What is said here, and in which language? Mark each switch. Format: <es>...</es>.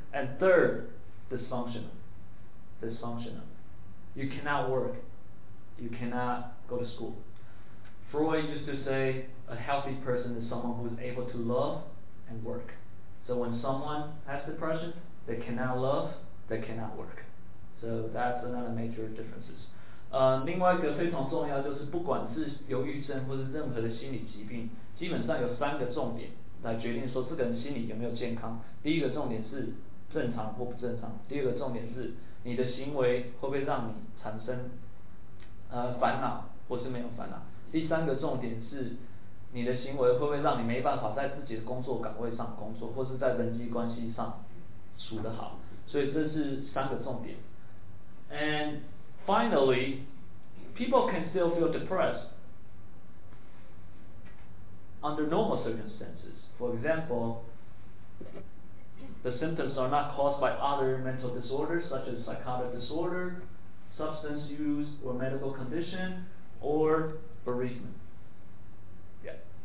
<en>And third, dysfunctional. You cannot work, you cannot go to school. Freud used to say, a healthy person is someone who is able to love and work. So when someone has depression, they cannot love, they cannot work. So that's another major differences.</en> <zh>另外一个非常重要就是不管是忧郁症或是任何的心理疾病，基本上有三个重点来决定说这个人心理有没有健康。第一个重点是正常或不正常，第二个重点是你的行为会不会让你产生烦恼或是没有烦恼。第三个重点是你的行为会不会让你没办法在自己的工作岗位上工作，或是在人际关系上处得好，所以这是三个重点。</zh> <en>And finally, people can still feel depressed under normal circumstances. For example, the symptoms are not caused by other mental disorders such as psychotic disorder, substance use or medical condition, orbereavement. Yeah.</en>